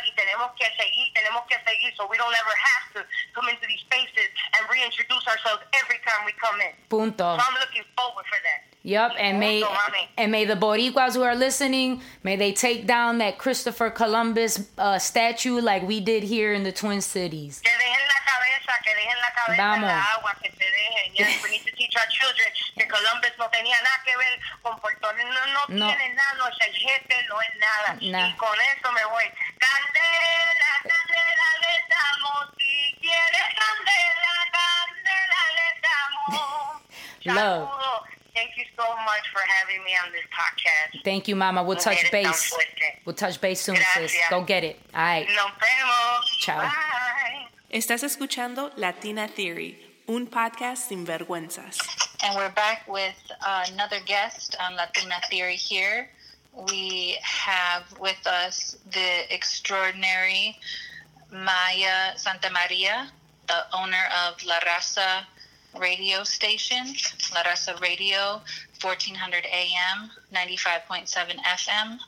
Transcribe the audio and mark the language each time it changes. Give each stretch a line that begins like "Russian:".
Spanish: Y tenemos que seguir.
English: So we don't ever have to come into these spaces and reintroduce ourselves every time we come in.
Spanish: Punto.
English: So I'm looking forward for that. Yep, and may the Boricuas who are listening, may they take down that Christopher Columbus statue like we did here in the Twin Cities.
Spanish: Que dejen la cabeza, que dejen la cabeza en la agua, que se dejen.
English: Yes, we need to teach our children
Spanish: que Columbus no tenía nada que ver con Puerto Rico. No tiene nada, no es el jefe, no es nada.
English: Nah.
Spanish: Y con eso me voy. Candela, candela, le damos. Si quieres candela, candela, le damos.
English: Love. Thank you so much for having me on this podcast. Thank you, Mama. We'll touch base. We'll touch base soon,
Spanish: Gracias.
English: Sis. Go get it. All right.
Spanish: Nos vemos.
Italian: Ciao.
English: Bye.
Spanish: Estás escuchando Latina Theory, un podcast sin vergüenzas.
English: And we're back with another guest on Latina Theory here. We have with us the extraordinary Maya Santamaria, the owner of La Raza Radio Station, La Raza Radio, 1400 AM, 95.7 FM.